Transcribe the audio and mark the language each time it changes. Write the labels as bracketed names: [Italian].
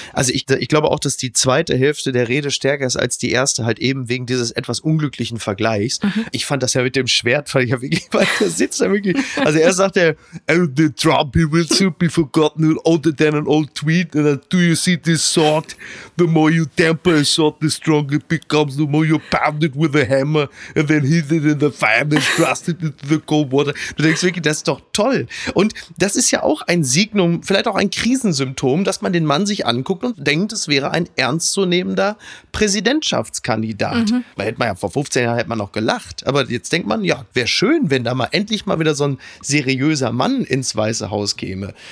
[German] Also ich glaube auch, dass die zweite Hälfte der Rede stärker ist als die erste, halt eben wegen dieses etwas unglücklichen Vergleichs. Mhm. Ich fand das ja mit dem Schwert, weil ich ja wirklich, weil der sitzt da wirklich, also er sagt ja, [English] oh, the Trump, he will soon be forgotten, older than an old tweet, and do you see this sword? The more you temper a sword, the stronger it becomes, the more you pound it with a hammer, and then hit it in the fire, and thrust it into the cold water. [German] Du denkst wirklich, das ist doch toll. Und das ist ja auch ein Signum, vielleicht auch ein Krisensymptom, dass man den Mann sich anguckt und denkt, es wäre ein ernstzunehmender Präsidentschaftskandidat. Mhm. Da hätte man ja vor 15 Jahren hätte man noch gelacht. Aber jetzt denkt man, ja, wäre schön, wenn da mal endlich mal wieder so ein seriöser Mann ins Weiße Haus käme.